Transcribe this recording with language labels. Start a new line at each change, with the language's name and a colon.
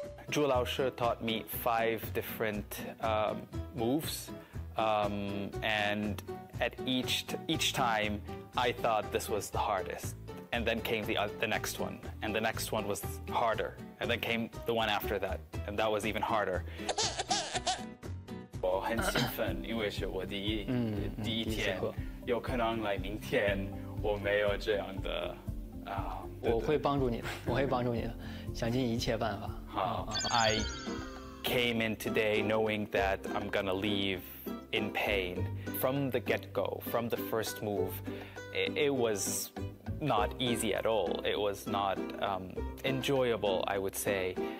English: 朱老师 taught me 5 different moves, and at each time I thought this was the hardest, and then came the next one, and the next one was harder, and then came the one after that, and that was even harder.
Chinese: 我很兴奋，因为是我第一天，有可能来明天。我没有这样的啊，我会帮助你的，我会帮助你的，想尽一切办法。好，
English: I came in today knowing that I'm gonna leave in pain from the get-go, from the first move. It was not easy at all. It was not enjoyable, I would say.